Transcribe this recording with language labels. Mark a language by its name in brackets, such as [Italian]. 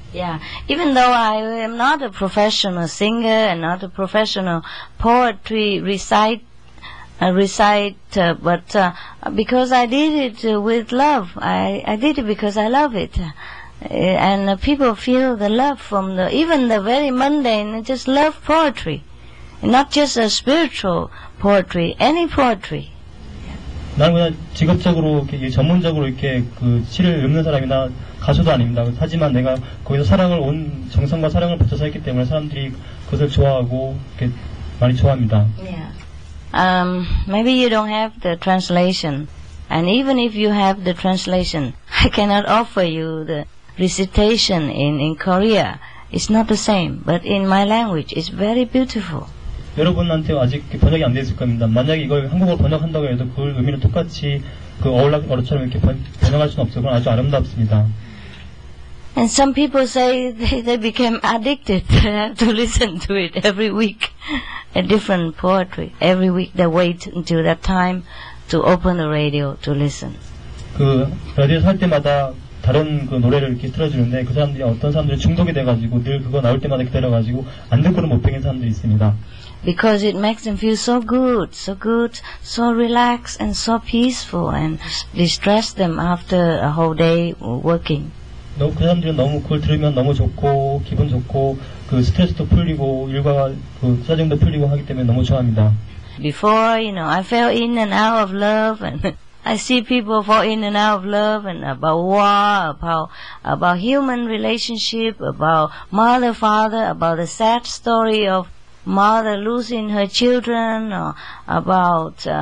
[English] Yeah, even though I am not a professional singer and not a professional poetry recite recite, but because I did it with love, I did it because I love it. And people feel the love from the, even the very mundane, just love poetry. Not just a spiritual poetry, any poetry. [Korean] 나는 그냥 직업적으로 이렇게 전문적으로 이렇게 그 시를 읽는 사람이나 가수도 아닙니다. 하지만 내가 거기서 사랑을 온 정성과 사랑을 붙여서 했기 때문에 사람들이 그것을 좋아하고 이렇게 많이 좋아합니다. [English] Yeah. Maybe you don't have the translation. And even if you have the translation, I cannot offer you the recitation in Korea. It's not the same, but in my language, it's very beautiful. [Korean] 여러분한테 아직 번역이 안 되어 있을 겁니다. 만약 이걸 한국어로 번역한다고 해도 그 의미는 똑같이 그 어울락어처럼 이렇게 번역할 수는 없어요. 그건 아주 아름답습니다. [English] And some people say they became addicted to listen to it every week, a different poetry. Every week they wait until that time to open the radio to listen. [Korean] 그 라디오 살 때마다 다른 그 노래를 이렇게 틀어주는데 그 사람들이 어떤 사람들이 중독이 돼가지고 늘 그거 나올 때마다 기다려가지고 안 듣고는 못 듣는 사람들이 있습니다. [English] Because it makes them feel so good, so relaxed and so peaceful and distress them after a whole day working. [Korean] 그 사람들은 너무 그걸 들으면 너무 좋고 기분 좋고 그 스트레스도 풀리고 일과 그 사정도 풀리고 하기 때문에 너무 좋아합니다. [English] Before, you know, I fell in and out of love and I see people fall in and out of love and about war, about human relationship, about mother, father, about the sad story of mother losing her children, or about